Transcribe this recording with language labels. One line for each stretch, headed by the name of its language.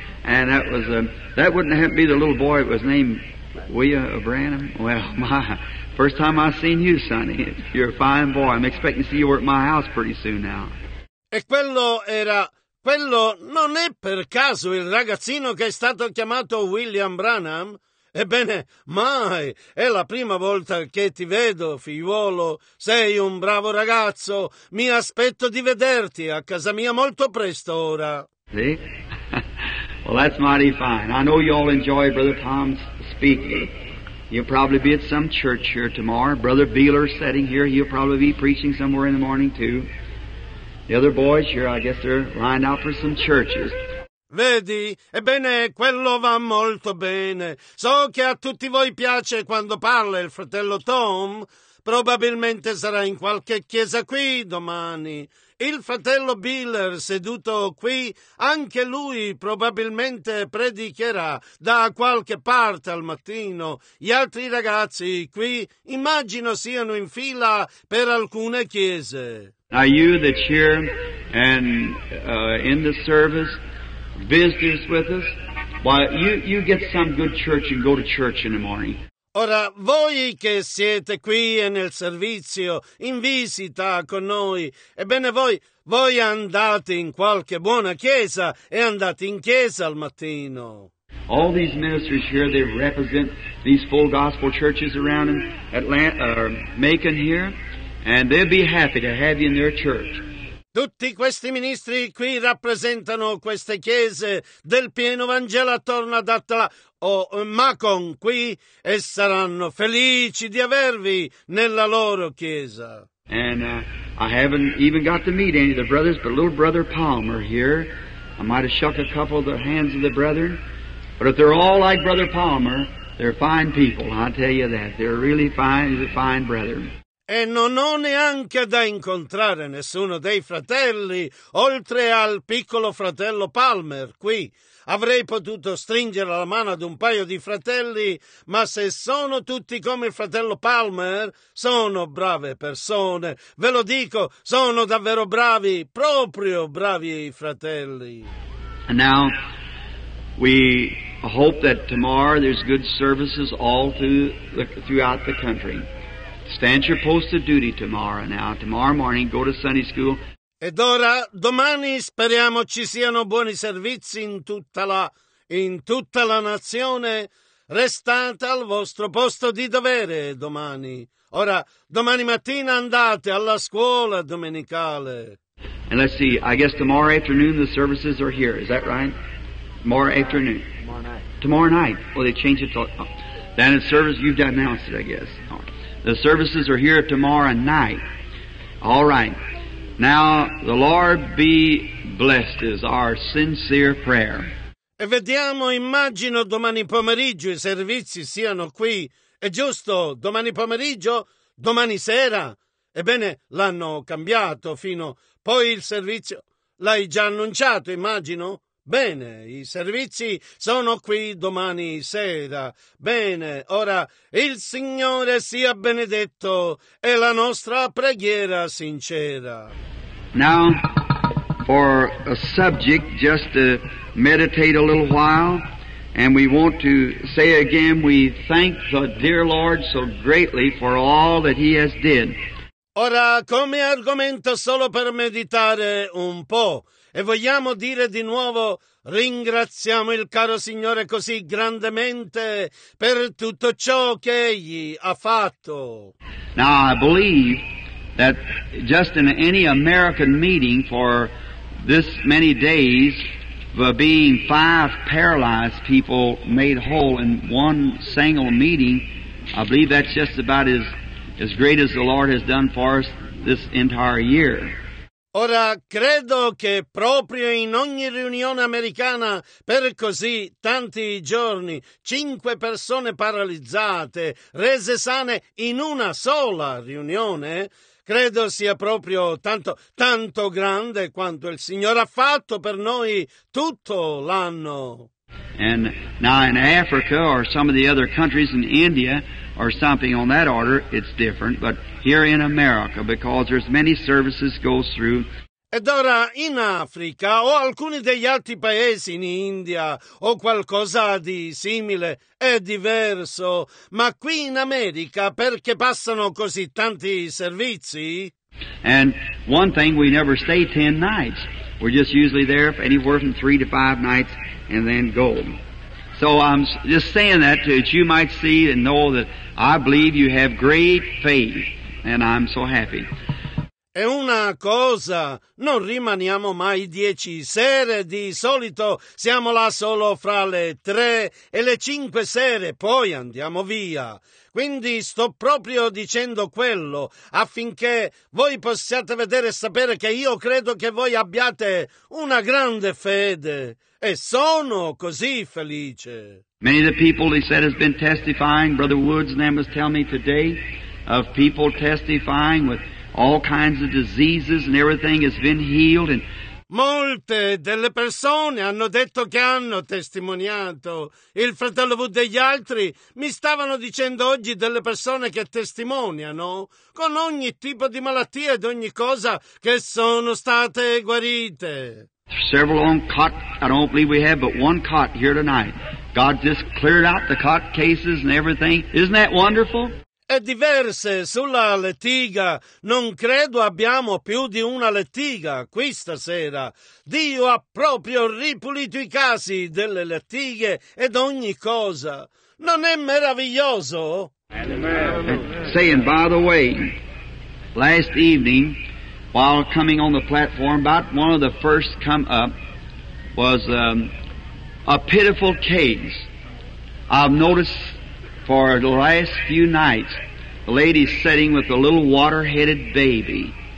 English: And that was that wouldn't have been the little boy that was named William Branham. Well, my first time I've seen you, Sonny. You're a fine boy. I'm expecting to see you work my house pretty soon now.
Italian: E quello era... Quello non è per caso il ragazzino che è stato chiamato William Branham? Ebbene, mai! È la prima volta che ti vedo, figliuolo. Sei un bravo ragazzo. Mi aspetto di vederti a casa mia molto presto ora. Sì?
English: Well, that's mighty fine. I know you all enjoy Brother Tom's speaking. You'll probably be at some church here tomorrow. Brother Beeler sitting here, he'll probably be preaching somewhere in the morning too. The other boys here, I guess they're lined out for some churches.
Italian: Vedi? Ebbene, quello va molto bene. So che a tutti voi piace quando parla il fratello Tom. Probabilmente sarà in qualche chiesa qui domani. Il fratello Biller, seduto qui, anche lui probabilmente predicherà da qualche parte al mattino. Gli altri ragazzi qui, immagino, siano in fila per alcune chiese.
English: Now you that's here and in the service, visitors with us, why you get some good church and go to church in the morning.
Italian: Ora, voi che siete qui e nel servizio, in visita con noi, ebbene voi andate in qualche buona chiesa e andate in chiesa al mattino.
English: All these ministers here, they represent these full gospel churches around in Atlanta, Macon here, and they'd be happy to have you in their church.
Italian: Tutti questi ministri qui rappresentano queste chiese del pieno Vangelo attorno ad Macon qui e saranno felici di avervi nella loro chiesa.
English: And I haven't even got to meet any of the brothers, but little brother Palmer here, I might have shook a couple of the hands of the brethren, but if they're all like brother Palmer, they're fine people, I'll tell you that, they're really fine, he's a fine brethren.
Italian: E non ho neanche da incontrare nessuno dei fratelli, oltre al piccolo fratello Palmer, qui. Avrei potuto stringere la mano ad un paio di fratelli, ma se sono tutti come il fratello Palmer, sono brave persone. Ve lo dico, sono davvero bravi, proprio bravi i fratelli.
English: And now, we hope that tomorrow there's good services all throughout the country. Stand your post of duty tomorrow now. Tomorrow morning, go to Sunday school.
Italian: Ed ora, domani, speriamo ci siano buoni servizi in tutta la nazione. Restate al vostro posto di dovere domani. Ora, domani mattina andate alla scuola domenicale.
English: And let's see, I guess tomorrow afternoon the services are here. Is that right? Tomorrow afternoon. Tomorrow night. Tomorrow night. Well, they changed it. Then the service, you've announced it, I guess. The services are here tomorrow night. All right. Now, the Lord be blessed is our sincere prayer.
Italian: E vediamo, immagino domani pomeriggio i servizi siano qui. È giusto, domani pomeriggio, domani sera. Ebbene, l'hanno cambiato fino poi il servizio. L'hai già annunciato, immagino? Bene, i servizi sono qui domani sera. Bene, ora il Signore sia benedetto e la nostra preghiera sincera.
English: Now, for a subject, just to meditate a little while, and we want to say again, we thank the dear Lord so greatly for all that He has did.
Italian: Ora, come argomento solo per meditare un po', e vogliamo dire di nuovo, ringraziamo il caro Signore così grandemente per tutto ciò che Egli ha fatto.
English: Now, I believe that just in any American meeting for this many days, of being five paralyzed people made whole in one single meeting, I believe that's just about as great as the Lord has done for us this entire year.
Italian: Ora, credo che proprio in ogni riunione americana per così tanti giorni, cinque persone paralizzate, rese sane in una sola riunione, credo sia proprio tanto, tanto grande quanto il Signore ha fatto per noi tutto l'anno.
English: And now in Africa or some of the other countries in India or something on that order, it's different, but here in America, because there's many services goes through.
Italian: Ed ora in Africa o alcuni degli altri paesi in India o qualcosa di simile è diverso, ma qui in America perché passano così tanti servizi?
English: And one thing, we never stay 10 nights. We're just usually there for anywhere from 3 to 5 nights and then go. So I'm just saying that to that you might see and know that I believe you have great faith and I'm so happy.
Italian: È una cosa, non rimaniamo mai 10 sere, di solito siamo là solo fra le 3 e le 5 sere, poi andiamo via. Quindi sto proprio dicendo quello affinché voi possiate vedere e sapere che io credo che voi abbiate una grande fede e sono così felice.
English: Many of the people, he said, has been testifying, Brother Woods and them was telling me today, of people testifying with all kinds of diseases and everything has been healed. And
Italian: molte delle persone hanno detto che hanno testimoniato. Il fratello Wood e gli altri mi stavano dicendo oggi delle persone che testimoniano con ogni tipo di malattia ed ogni cosa che sono state guarite.
English: Several on cot, I don't believe we have but one cot here tonight. God just cleared out the cot cases and everything. Isn't that wonderful?
Italian: E diverse sulla lettiga, non credo abbiamo più di una lettiga qui stasera. Dio ha proprio ripulito i casi delle lettighe ed ogni cosa. Non è meraviglioso?
English: Saying, by the way, last evening, while coming on the platform, about one of the first come up was a pitiful case. I've noticed for the last few nights, the lady's sitting with a little water-headed baby.